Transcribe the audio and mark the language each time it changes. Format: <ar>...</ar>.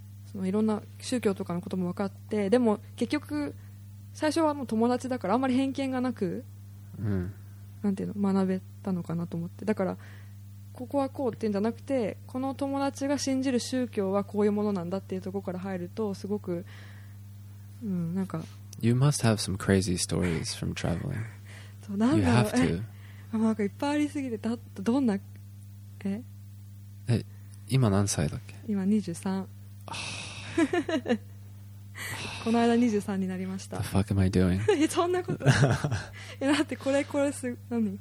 <ja>そのいろんな宗教とかのことも分かって、でも結局最初はもう友達だからあんまり偏見がなく、うん、なんていうの、学べたのかなと思って、だからここはこうっていうんじゃなくて、この友達が信じる宗教はこういうものなんだっていうところから入ると、すごく、うん、なんか</ja> <en>You must have some crazy stories from traveling.</en> <ja>そう、なんだろう、</ja> <en>You have to.</en> <ja>なんかいっぱいありすぎて、どんな、え？え、今何歳だっけ？今23。この間23になりました。</ja> <en>The fuck am I doing?</en> <ja>そんなこと。え、だってこれす、何？</ja>